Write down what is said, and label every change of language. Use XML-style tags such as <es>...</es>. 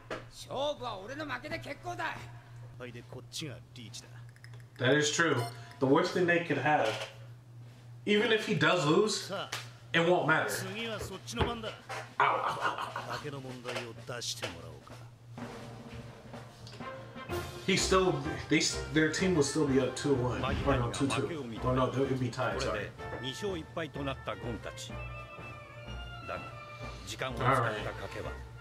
<ja>勝負は俺の負けで結構だ。はい、でこっちがリーチだ。</ja> <en>That is true. The worst thing they could have, even if he does lose, it won't matter.</en> <ja>次はそっちの番だ。負けの問題を出してもらおうか。</ja> <en>He still, their team will still be up 2-1. Or no, 2-2. Or no, they'll be tied, sorry.</en> <ja>2勝1敗となったゴンたち。だが、時間を使った賭けは。</ja>